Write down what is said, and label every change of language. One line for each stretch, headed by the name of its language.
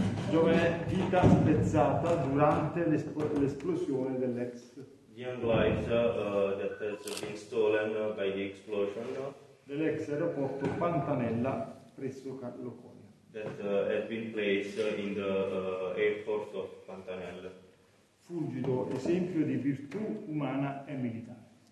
Italian: Giovane vita spezzata durante l'esplosione dell'ex.
English: Young lives that has been stolen by the explosion.
Italian: Dell'ex aeroporto Pantanella presso Locconia.
English: That had been placed in the airport of Pantanella.
Italian: Fulgido esempio di virtù umana e militare.